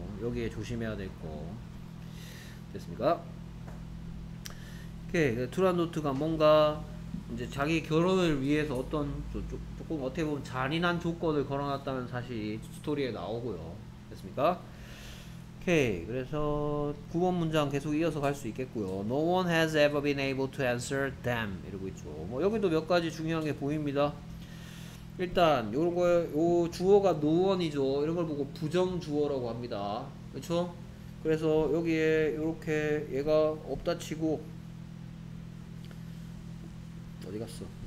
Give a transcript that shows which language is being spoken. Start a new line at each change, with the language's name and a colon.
Korean: 여기에 조심해야 될 거. 됐습니까? 오케이. 투란도트가 뭔가 이제 자기 결혼을 위해서 어떤 조금 어떻게 보면 잔인한 조건을 걸어놨다는 사실이 스토리에 나오고요. 됐습니까? 오케이. 그래서 9번 문장 계속 이어서 갈 수 있겠고요.
English: No one has ever been able to answer them.
Korean: 이러고 있죠. 뭐 여기도 몇 가지 중요한 게 보입니다. 일단 이런 거, 요 주어가 no one이죠. 이런 걸 보고 부정 주어라고 합니다. 그렇죠? 그래서 여기에 이렇게 얘가 없다 치고 어디 갔어?